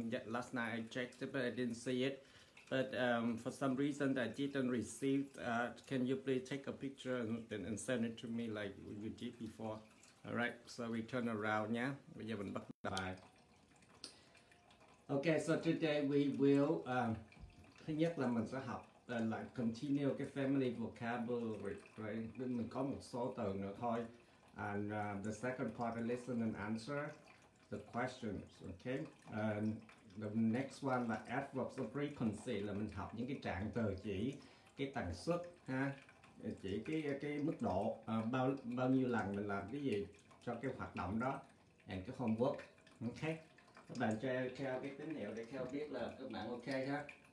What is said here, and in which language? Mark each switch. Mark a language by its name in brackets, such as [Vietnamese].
[English] Last night I checked it, but I didn't see it. But for some reason I didn't receive, can you please take a picture and send it to me like you did before? Alright, so we turn around, yeah? [Vietnamese] Bây giờ mình bắt đầu. [English] Ok, so today we will, [Vietnamese] thứ nhất là mình sẽ học, [English] like continue cái family vocabulary, right? [Vietnamese] Mình có một số từ nữa thôi. [English] And the second part, I listen and answer the questions, okay? And the next one [Vietnamese] là adverbs of frequency, là mình học những cái trạng từ chỉ cái tần suất ha, chỉ cái mức độ bao nhiêu lần mình làm cái gì cho cái hoạt động đó, and cái homework, okay? Các bạn cho Kêu cái tín hiệu để Kêu biết là các bạn ok ha.